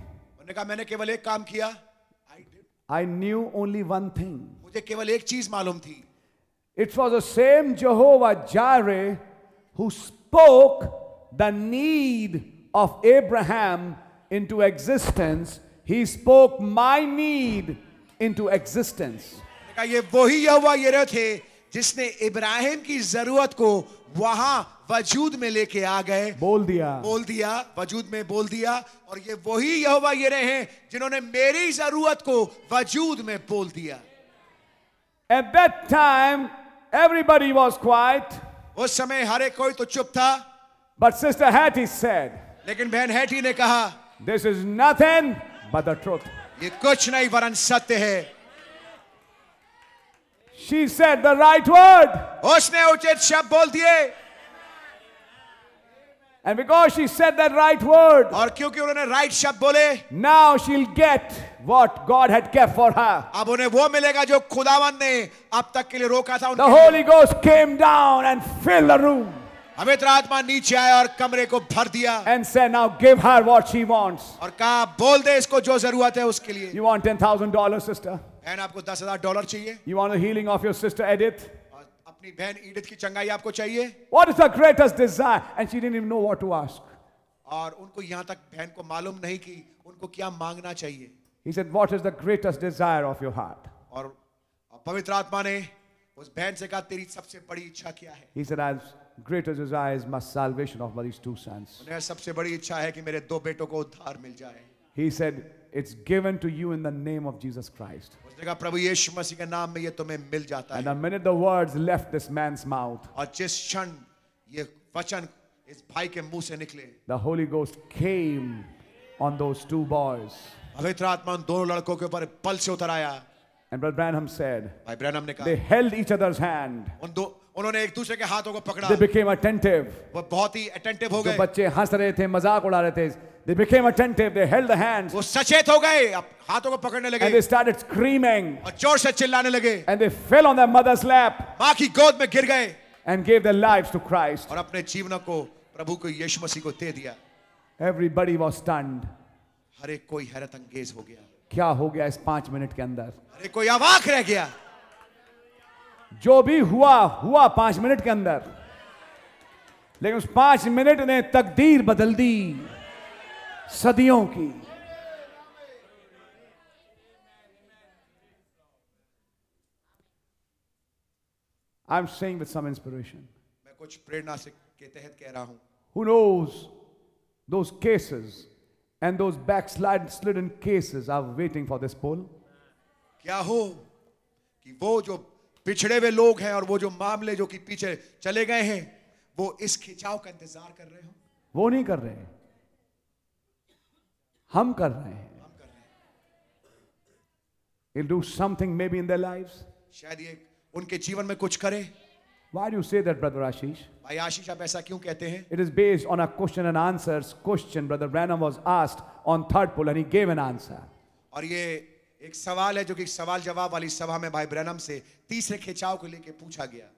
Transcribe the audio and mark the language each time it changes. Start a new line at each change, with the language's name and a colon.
Hindi: उन्होंने कहा मैंने केवल एक काम किया.
English: I knew only one thing.
Hindi: मुझे केवल एक चीज मालूम थी.
English: It was the same Jehovah Jireh who spoke the need of Abraham into existence. He spoke my need into existence.
Hindi: ये वही यहोवा यिरे थे जिसने इब्राहिम की जरूरत को वहां वजूद में लेके आ गए. बोल दिया वजूद में बोल दिया. और ये वही यहोवा यिरे हैं जिन्होंने मेरी जरूरत को वजूद में बोल दिया.
English: At that time, everybody was quiet.
Hindi: उस समय हर एक कोई तो चुप था.
English: But Sister Hattie said,
Hindi: लेकिन बहन हैटी ने कहा,
English: This is nothing but the truth.
Hindi: ये कुछ नहीं वरन सत्य है.
English: She said the right word.
Hindi: उसने उचित शब्द बोल दिए.
English: And because she said that right word,
Hindi: और क्योंकि उन्होंने राइट शब्द बोले,
English: now she'll get what God had kept for her.
Hindi: अब उन्हें वो मिलेगा जो खुदावन ने अब तक के लिए रोका था.
English: The Holy Ghost came down and filled the room.
Hindi: पवित्र आत्मा नीचे आया और कमरे को भर दिया.
English: And say, now give her what she wants.
Hindi: और कहा बोल दे इसको जो जरूरत है उसके लिए.
English: You want $10,000, sister?
Hindi: बहन आपको $10,000 चाहिए?
English: You want the healing of your sister Edith?
Hindi: और अपनी बहन एडिथ की चंगाई आपको चाहिए?
English: What is the greatest desire? And she didn't even know what to ask.
Hindi: और उनको यहां तक बहन को मालूम नहीं कि उनको क्या मांगना चाहिए.
English: He said, "What is the greatest desire of your heart?"
Hindi: और पवित्र आत्मा ने उस बहन से कहा, तेरी सबसे बड़ी इच्छा क्या है?
English: He said, "As greatest desire is my salvation of my two sons."
Hindi: उन्हें सबसे बड़ी इच्छा है कि मेरे दो बेटों को उद्धार मिल जाए.
English: He said, "It's given to you in the name of Jesus Christ."
Hindi: उसने कहा, प्रभु यीशु मसीह के नाम में ये तुम्हें मिल जाता है.
English: And the minute the words left this man's mouth,
Hindi: और जिस क्षण ये वचन इस भाई के मुंह से निकले,
English: the Holy Ghost came on those two boys.
Hindi: पवित्र आत्मा उन दोनों लड़कों के ऊपर पल से उतर आया.
English: And Brother Branham said,
Hindi: भाई ब्रैनम ने कहा,
English: they held each other's hand.
Hindi: उन दो उन्होंने एक दूसरे के हाथों को पकड़ा.
English: They became attentive.
Hindi: वो बहुत ही attentive हो गए. जो बच्चे हंस रहे थे, मजाक उड़ा रहे थे.
English: They became attentive. They held the hands.
Hindi: वो सचेत हो गए. अब हाथों को पकड़ने लगे.
English: And they started screaming.
Hindi: और जोर से चिल्लाने लगे.
English: And they fell on their mother's lap.
Hindi: माँ की गोद में गिर गए.
English: And gave their lives to Christ.
Hindi: और अपने जीवनों को प्रभु को यीशु मसीह को दे दिया.
English: Everybody was stunned.
Hindi: हर एक कोई हैरत अंगेज हो गया. क्या हो गया इस 5 मिनट के अंदर? हर एक कोई अवाक रह गया. जो भी हुआ हुआ 5 मिनट के अंदर, लेकिन उस 5 मिनट ने तकदीर बदल दी सदियों की.
English: I'm saying with some inspiration.
Hindi: मैं कुछ प्रेरणा से के तहत कह रहा हूं.
English: Who knows, those cases and those backslidden cases are waiting for this poll.
Hindi: क्या हो कि वो जो पिछड़े हुए लोग हैं और वो जो मामले जो कि पीछे चले गए हैं, वो इस खिंचाव का इंतजार कर रहे हो? वो नहीं कर रहे हैं, हम कर रहे हैं.
English: He'll do something maybe in their lives.
Hindi: शायद ये उनके जीवन में कुछ करे.
English: Why do you say that, Brother Ashish?
Hindi: भाई आशीष, आप ऐसा क्यों कहते हैं?
English: It is based on a question and answers question. Brother Branham was asked on third pull and he gave an answer.
Hindi: और ये एक सवाल है जो कि सवाल जवाब वाली सभा में भाई ब्रैनम से तीसरे खिंचाव को लेके पूछा गया.